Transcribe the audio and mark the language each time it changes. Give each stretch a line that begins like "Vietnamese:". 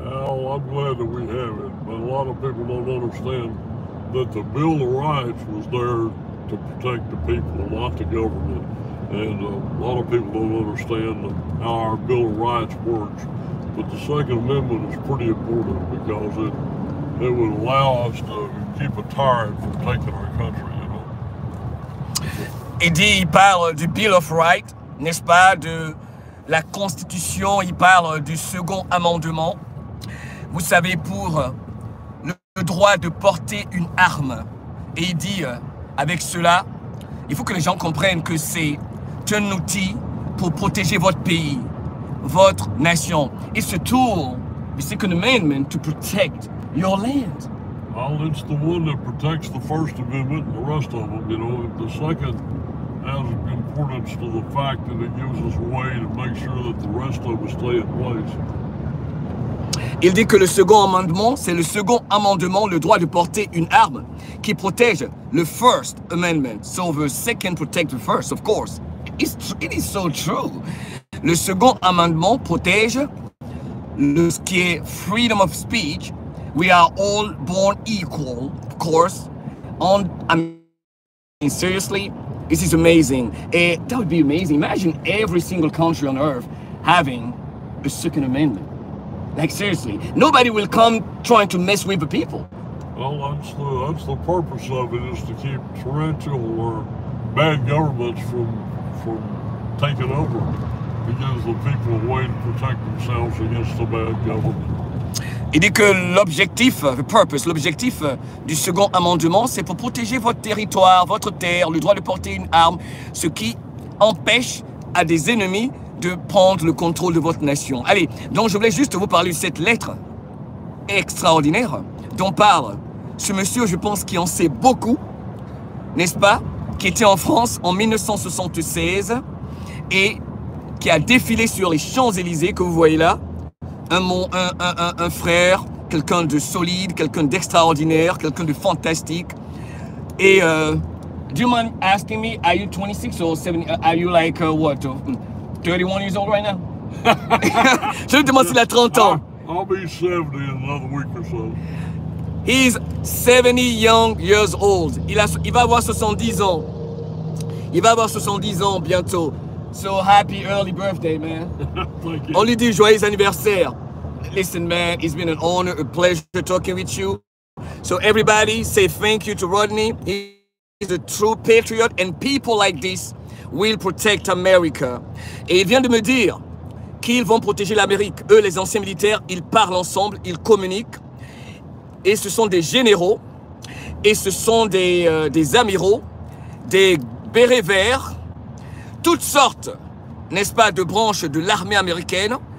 English: Well, I'm glad that we have it, but a lot of people don't understand that the Bill of Rights was there to protect the people, not the government. And a lot of people don't understand how our Bill of Rights works. But the Second Amendment is pretty important because it would allow us to keep a tyrant from taking our country, you know.
French: Et dit, il parle du Bill of Rights, n'est-ce pas, de la Constitution, il parle du Second Amendement. Vous savez, pour le droit de porter une arme. Et il dit, avec cela, il faut que les gens comprennent que c'est un outil pour protéger votre pays, votre nation.
English: It's a tool, the Second Amendment, to protect your land. Well, it's the one that protects the First Amendment and the rest of them, you know. The second has importance to the fact that it gives us a way to make sure that the rest of us stay in place.
French: Il dit que le Second Amendement, c'est le Second Amendement, le droit de porter une arme, qui protège le First Amendment.
English: So the second protects the first, of course. It is so true.
French: Le Second Amendement protège ce qui est
English: freedom of speech. We are all born equal, of course. And I mean, seriously, this is amazing. And that would be amazing. Imagine every single country on earth having a Second Amendment. Like, seriously, nobody will come trying to mess with the people. Well, that's the purpose of it, is to keep tyrannical or bad governments from taking over. Because the people wait to protect themselves against the bad government.
French: Il dit que l'objectif,
English: the purpose,
French: l'objectif du Second Amendement, c'est pour protéger votre territoire, votre terre, le droit de porter une arme, ce qui empêche à des ennemis de prendre le contrôle de votre nation. Allez, donc je voulais juste vous parler de cette lettre extraordinaire dont parle ce monsieur, je pense, qui en sait beaucoup, n'est-ce pas, qui était en France en 1976 et qui a défilé sur les Champs-Élysées que vous voyez là. Un frère, quelqu'un de solide, quelqu'un d'extraordinaire, quelqu'un de fantastique.
English: Et, do you mind asking me, are you 26 or 70, are you like, what, 31 years old right now?
French: Je lui demande s'il a 30 ans.
English: I'll be 70 in another week or so. He's 70 young years old.
French: Il va avoir 70 ans. Il va avoir 70 ans bientôt.
English: So happy early birthday, man. Thank you.
French: On lui dit joyeux anniversaire.
English: Listen, man, it's been an honor, a pleasure talking with you. So everybody, say thank you to Rodney. He's a true patriot, and people like this will protect America.
French: Et il vient de me dire qu'ils vont protéger l'Amérique. Eux, les anciens militaires, ils parlent ensemble, ils communiquent. Et ce sont des généraux, et ce sont des amiraux, des bérets verts, toutes sortes, n'est-ce pas, de branches de l'armée américaine.